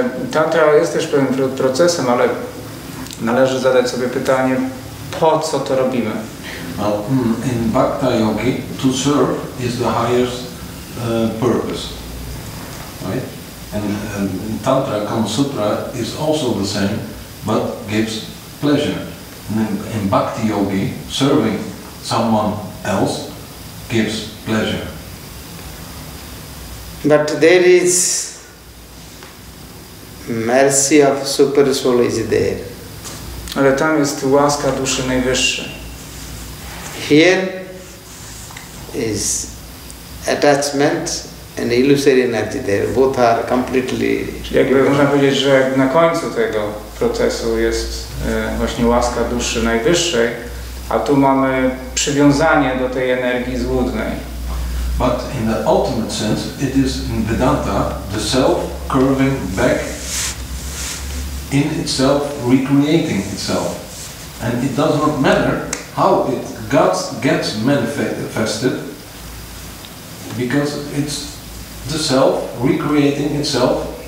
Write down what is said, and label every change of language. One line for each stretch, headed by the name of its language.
Polish: Tantra jest też pewnym procesem, ale należy zadać sobie pytanie, po co to robimy?
English: Well, in Bhakta Yogi, to serve is the highest purpose. Right? And Tantra, Kama Sutra, is also the same, but gives pleasure. And in Bhakti Yogi, serving someone else gives pleasure. But there is mercy of super soul is there.
Polish: Ale tam jest łaska duszy najwyższej.
English: Here is attachment. An illusory energy there, both are completely...
Polish: Jakby można powiedzieć, że na końcu tego procesu jest właśnie łaska duszy najwyższej, a tu mamy przywiązanie do tej energii złudnej.
English: But in the ultimate sense, it is in Vedanta, the self curving back in itself, recreating itself. And it does not matter how it gets manifested, because it's the self recreating itself.